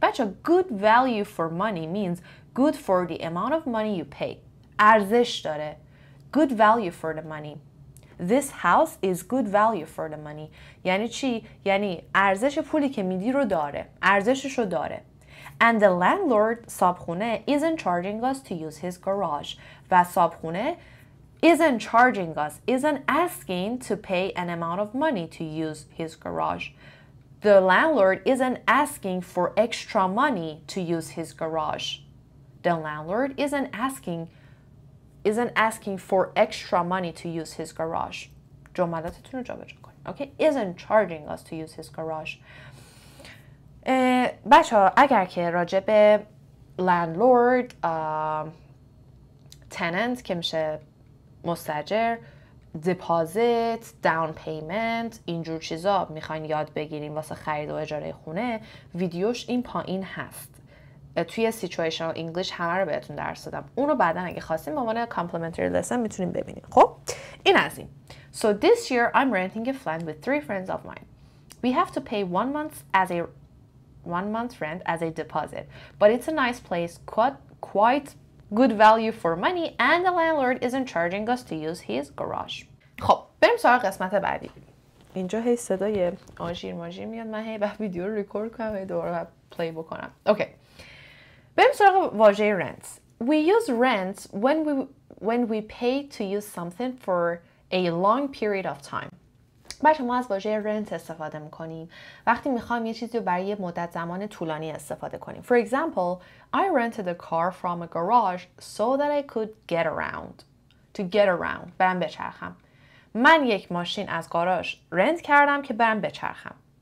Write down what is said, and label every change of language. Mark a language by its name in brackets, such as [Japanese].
[Persian] بچه, [English] good value for money means good for the amount of money you pay. [Persian] ارزش داره. [English] Good value for the money. This house is good value for the money. [Persian] یعنی چی؟ یعنی ارزش پولی که میدی رو داره. ارزشش رو داره. [English] And the landlord, [Persian] صابخونه, [English] isn't charging us to use his garage. [Persian] و صابخونه [English] isn't charging us, isn't asking to pay an amount of money to use his garage. The landlord isn't asking for extra money to use his garage. The landlord isn't asking for extra money to use his garage. [Persian] جملاتتون رو جابجا کن. [English] Okay, isn't charging us to use his garage. [Persian] بچه ها اگر که راجع به [English] landlord tenant [Persian] که میشه مستاجر [English] deposit down payment [Persian] اینجور چیزا میخواین یاد بگیریم واسه خرید و اجاره خونه، ویدیوش این پایین هست، توی [English] situational English [Persian] همه رو بهتون درس دادم، اونو بعدا اگه خواستیم عنوان [English] complimentary lesson [Persian] میتونیم ببینیم. خب این از این. [English] So this year I'm renting a flat with three friends of mine. We have to pay 1 month as a rent as a deposit, but it's a nice place, quite good value for money, and the landlord isn't charging us to use his garage. [Persian] خب بریم سراغ قسمت بعدی. اینجا هی صدای آژیر ماژیر میاد، من هی بعد ویدیو ریکورد کنم و دوباره پلی بکنم. اوکی بریم سراغ واژه rent. [English] We use rent when we pay to use something for a long period of time. [Persian] بچه ما از واژه rent استفاده میکنیم وقتی میخوایم یه چیزی رو برای یه مدت زمان طولانی استفاده کنیم. [English] For example, I rented a car from a garage so that I could get around. To get around. [Persian] برم بچرخم. من یک ماشین از گاراژ rent کردم که برم بچرخم.